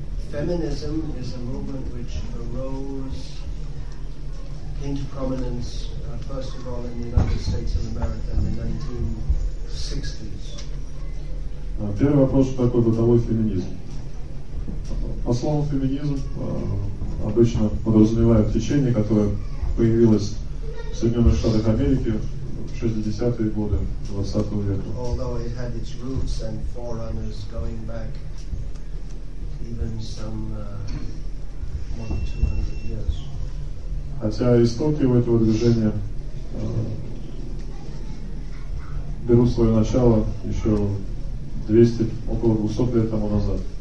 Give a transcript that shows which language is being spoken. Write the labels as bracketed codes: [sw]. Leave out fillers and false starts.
[en] Feminism is a movement which arose, came to prominence, first of all in the United States of America in the 1960s. [ru] Первый вопрос, такой бытовой феминизм. По словам феминизм, обычно подразумевают течение, которое появилось в Соединенных Штатах Америки в 60-е годы 20 века. [en] Although it had its roots and forerunners going back even some more than 200 years. [ru] Хотя истоки у этого движения берут свое начало еще 200, около 200 лет тому назад.